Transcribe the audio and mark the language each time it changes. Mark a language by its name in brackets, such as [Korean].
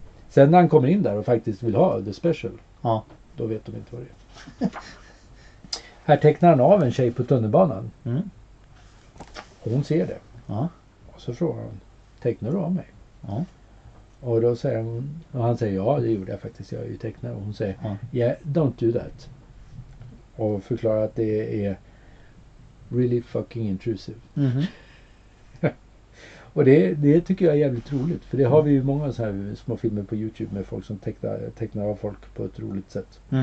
[Swedish] Sen när han kommer in där och faktiskt vill ha [English] the special, [Swedish] då vet de inte vad det är. Här tecknar han av en tjej på tunnelbanan. Och hon ser det. Och så frågar hon, tecknar du av mig? Och då säger hon, och han säger ja, det gjorde jag faktiskt, jag är ju tecknare. Och hon säger, [English] yeah, don't do that. [Swedish] Och förklarar att det är [English] really fucking intrusive. [Swedish] Och det tycker jag är jävligt roligt. För det har vi ju många så här små filmer på YouTube med folk som tecknar av folk på ett roligt sätt.